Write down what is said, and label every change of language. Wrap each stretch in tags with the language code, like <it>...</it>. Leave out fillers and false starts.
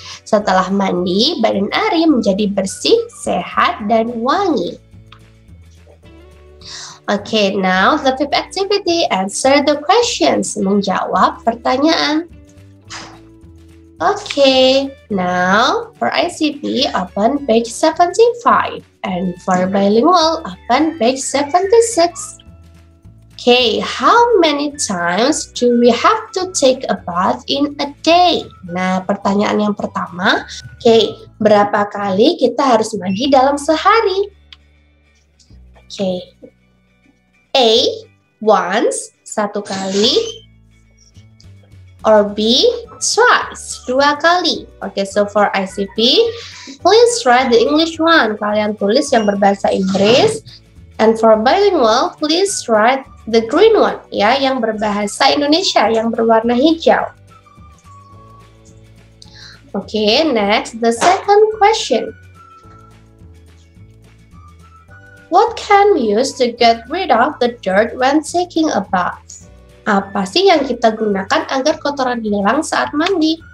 <id>Setelah mandi, badan Ari menjadi bersih, sehat, dan wangi.</id> <en>Okay, now the fifth activity, answer the questions.</en> <id>Menjawab pertanyaan.</id> <en>Okay, now for ICP, open page 75. And for bilingual, open page 76. Okay, how many times do we have to take a bath in a day?</en> <id>Nah, pertanyaan yang pertama. Okay, berapa kali kita harus mandi dalam sehari? Okay. A, once, satu kali. Or B, twice, dua kali.</id> <en>Okay, so for ICP, please write the English one.</en> <id>Kalian tulis yang berbahasa Inggris.</id> <en>And for bilingual, please write the green one, ya,</en> <id>yang berbahasa Indonesia, yang berwarna hijau.</id> <en>Okay, next, the second question. What can we use to get rid of the dirt when taking a bath?</en> <id>Apa sih yang kita gunakan agar kotoran hilang saat mandi?</id>